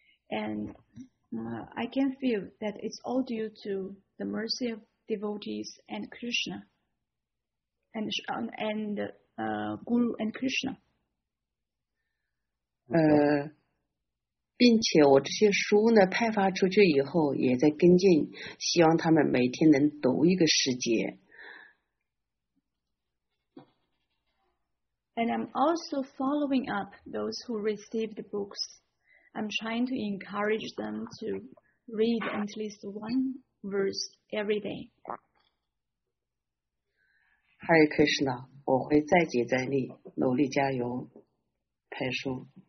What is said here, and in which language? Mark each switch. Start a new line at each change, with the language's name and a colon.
English: And I can feel that it's all due to the mercy of devotees and Krishna, and Guru and Krishna.
Chinese: 并且我这些书呢派发出去以后也在跟进，希望他们每天能读一个时节。
English: And I'm also following up those who received the books. I'm trying to encourage them to read at least one verse every day.
Chinese: Hare Krishna, 我会再接再厉，努力加油派书。